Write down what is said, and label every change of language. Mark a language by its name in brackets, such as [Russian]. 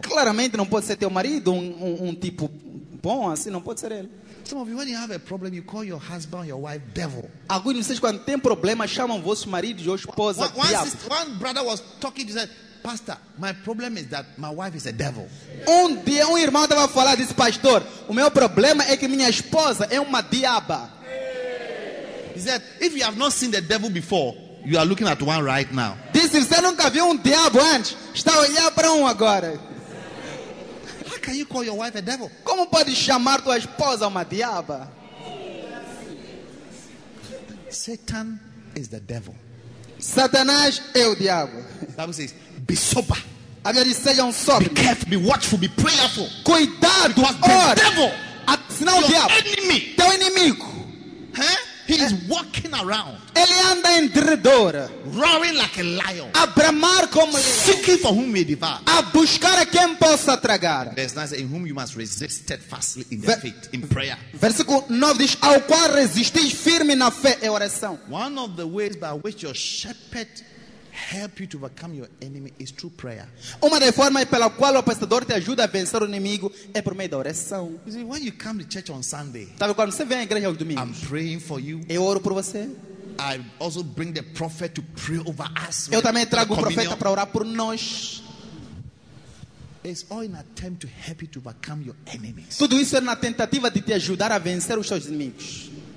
[Portuguese] Claramente não pode ser teu marido, tipo bom assim. Não pode ser ele. [English] Some of you, when you have a problem, you call your husband, your wife, devil. [Portuguese] Alguns de vocês, quando tem problema, chamam vosso marido ou esposa, diabo. [English] One brother was talking, he said, pastor, my problem is that my wife is a devil. [Portuguese] Um dia um irmão estava a falar, disse, pastor, o meu problema é que minha esposa é uma diaba. [English] He said, if you have not seen the devil before, you are looking at one right now. [Portuguese] Disse, você nunca viu diabo antes, está a olhar para agora. [English] How can you call your wife a devil? [Portuguese] Como pode chamar tua esposa uma diaba? [English] Satan is the devil. [Portuguese] Satanás é o diabo. [English] The Bible says, be sober. [Portuguese] A Bíblia diz, sejam sóbrios. [English] Be careful, be watchful, be prayerful. [Portuguese] Cuidado, [English] it was the devil. [Portuguese] Senão o diabo. [English] Enemy. [Portuguese] Teu inimigo. [English] Huh? He is walking around. [Portuguese] Ele anda em derredor. [English] Roaring like a lion. [Portuguese] A bramar como leão. [English] Seeking for whom may devour. [Portuguese] A buscar a quem possa tragar. [English] Verse 9 says, in whom you must resist steadfastly in the faith, in prayer. [Portuguese] Versículo 9 diz, ao qual resistis firme na fé e oração. [English] One of the ways by which your shepherd help you to overcome your enemy is through prayer. [Portuguese] Uma das formas pela qual o pastor te ajuda a vencer o inimigo é por meio da oração. [English] You see, when you come to church on Sunday, [Portuguese] sabe quando você vem à igreja no domingo? [English] I'm praying for you. [Portuguese] Eu oro por você. [English] I also bring the prophet to pray over us. [Portuguese] Eu também trago o profeta para orar por nós. [English] It's all in an attempt to help you to overcome your enemies. [Portuguese] Tudo isso é na tentativa de te ajudar a vencer os seus inimigos.